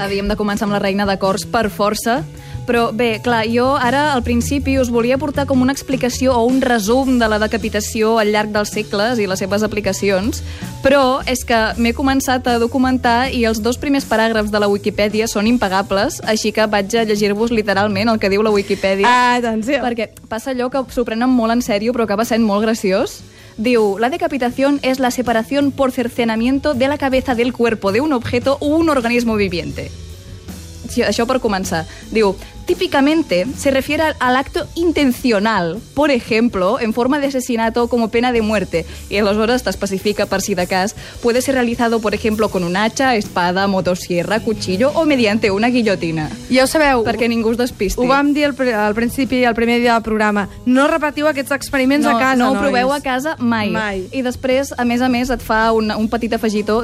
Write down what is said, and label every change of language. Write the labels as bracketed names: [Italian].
[Catalan] Havíem de començar amb la reina de cors per força. Però bé, clar, jo ara al principi us volia portar com una explicació o un resum de la decapitació al llarg dels segles i les seves aplicacions, però és que m'he començat a documentar i els dos primers paràgrafs de la Wikipedia són impagables, així que vaig a llegir-vos literalment el que diu la Wikipedia. Atenció! Perquè passa allò que s'ho prenen molt en sèrio però acaba sent molt graciós. [Spanish] Diu, la decapitación es la separación por cercenamiento de la cabeza del cuerpo de un objeto o un organismo viviente. [Catalan] Això per començar. [Spanish] Diu, típicamente se refiere al acto intencional, por ejemplo, en forma de asesinato como pena de muerte. [Catalan] Y aleshores t'especifica per si de cas. [Spanish] Puede ser realizado, por ejemplo, con un hacha, espada, motosierra, cuchillo o mediante una guillotina. [Catalan] Ja ho sabeu. Perquè ningú us despisti. Ho vam dir al principi, al primer dia del programa. No repetiu aquests experiments no, a casa, no ho nois. Proveu a casa mai. Mai. I després, a més, et fa un petit afegitó.